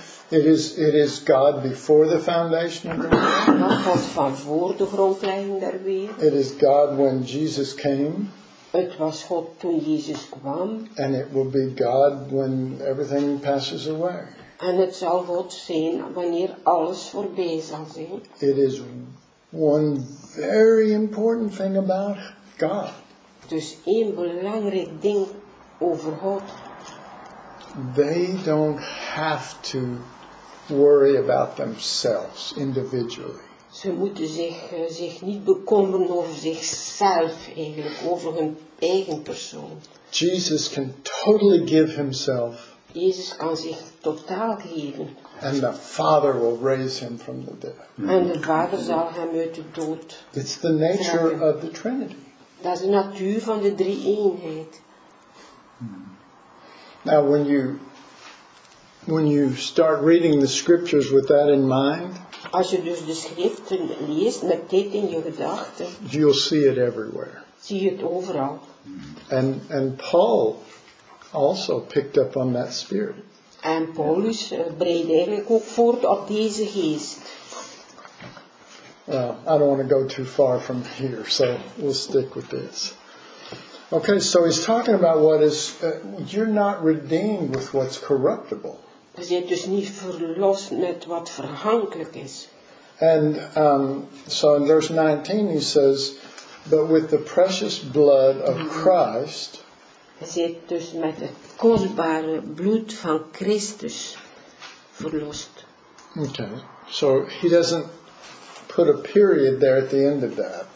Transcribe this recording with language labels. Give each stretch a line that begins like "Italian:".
English: It is God before the foundation of the world.
Dutch: God van voor de grondlegging der wereld.
English: It is God when Jesus came.
Dutch: Het was God toen Jezus kwam.
English: And it will be God when everything passes away.
Dutch: En het zal God zijn wanneer alles voorbij zal zijn.
English: It is one very important thing about God.
Dutch: Dus één belangrijk ding over God.
English: They don't have to worry about themselves individually.
Dutch: Ze moeten zich niet bekommeren over zichzelf eigenlijk, over hun eigen persoon.
English: Jesus can totally give himself.
Dutch: Jezus kan zich totaal geven.
English: And the Father will raise him from the dead.
Dutch: En de Vader zal hem uit de dood.
English: It's the nature of the Trinity.
Dutch: Dat is de natuur van de drie eenheid.
English: Now when you start reading the scriptures with that in mind,
Dutch: als je dus de schriften leest met dit in je gedachten,
English: you'll see it everywhere.
Dutch: Zie je het overal.
English: And Paul also picked up on that spirit.
Dutch: En Paulus breidt eigenlijk ook voort op deze geest.
English: Well, I don't want to go too far from here, so we'll stick with this. Okay, so he's talking about what is, you're not redeemed with what's corruptible.
Dutch: Je bent dus niet verlost met wat vergankelijk is.
English: And so in verse 19 he says, but with the precious blood of Christ.
Dutch: Je bent dus met het kostbare bloed van Christus verlost.
English: Okay, so he doesn't put a period there at the end of that.